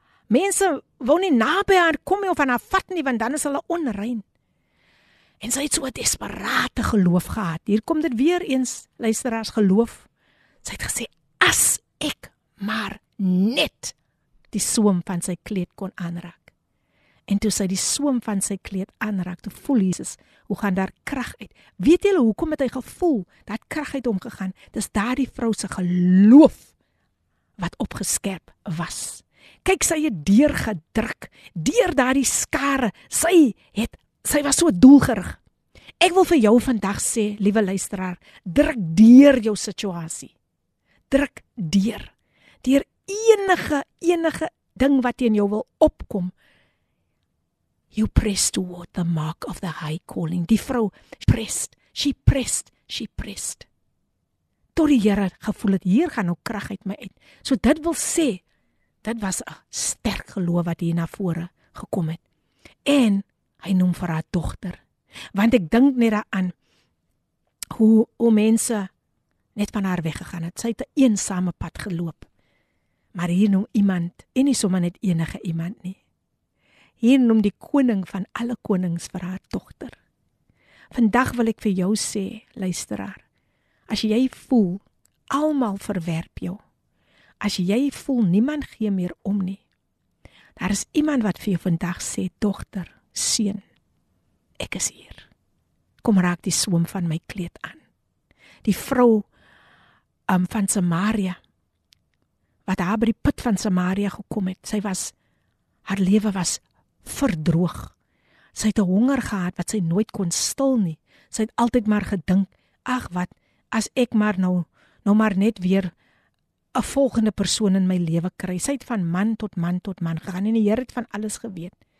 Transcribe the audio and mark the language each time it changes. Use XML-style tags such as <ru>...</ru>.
<af>Mense wou nie naby haar kom nie of aan haar vat nie, want dan is hulle onrein. En sy het so 'n desperate geloof gehad. Hier kom dit weer eens, luisteraars, geloof. Sy het gesê, as ek maar net die soem van sy kleed kon aanraak. En toe sy die soem van sy kleed aanraak, toe voel Jesus, hoe gaan daar krag uit? Weet julle hoekom het hy gevoel dat krag uit hom gegaan? Dis daardie vrou se geloof wat opgeskerp was. Kyk, sy het deurgedruk, deur daardie skare. Sy was so doelgerig. Ek wil vir jou vandag sê, liewe luisteraar, druk deur jou situasie. Druk deur. Deur enige ding wat teen jou wil opkom.</af> <en>You press toward the mark of the high calling.</en> <af>Die vrou</af> <en>pressed, she pressed.</en> <af>Tot die Here gevoel het, hier gaan nou krag uit my uit. So dit wil sê, dit was 'n sterk geloof wat hier na vore gekom het. En hy noem vir haar dogter. Want ek dink net daaraan hoe mense net van haar weggegaan het. Sy het 'n eensame pad geloop. Maar hier noem iemand, en nie sommer net enige iemand nie. Hier noem die koning van alle konings vir haar dogter. Vandag wil ek vir jou sê, luisteraar, as jy voel, almal verwerp jou. As jy voel, niemand gee meer om nie. Daar is iemand wat vir jou vandag sê, dogter, Seun, ek is hier. Kom raak die soem van my kleed aan. Die vrou van Samaria, wat haar by die put van Samaria gekom het, sy was, haar lewe was verdroog. Sy het 'n honger gehad wat sy nooit kon stil nie. Sy het altyd maar gedink, ag wat, as ek maar nou maar net weer 'n volgende persoon in my lewe kry. Sy het van man tot man tot man gegaan en die Here het van alles geweet.</af>